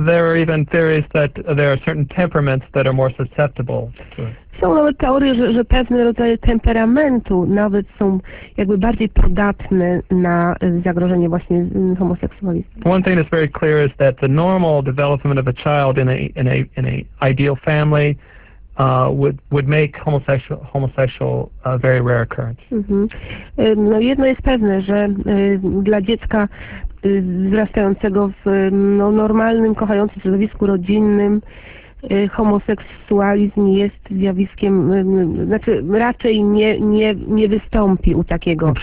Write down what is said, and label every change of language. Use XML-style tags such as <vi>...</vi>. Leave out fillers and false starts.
<en>There are even theories that there are certain temperaments that are more susceptible to.</en> <pl>Są nawet teorie, że pewne rodzaje temperamentu nawet są jakby bardziej podatne na zagrożenie właśnie homoseksualizmu.</pl> <en>One thing that's very clear is that the normal development of a child in a ideal family would make homosexual a very rare occurrence. Mm-hmm.</en> <pl>No jedno jest pewne, że dla dziecka wzrastającego w normalnym, kochającym środowisku rodzinnym homoseksualizm jest zjawiskiem, znaczy raczej nie wystąpi u takiego</pl>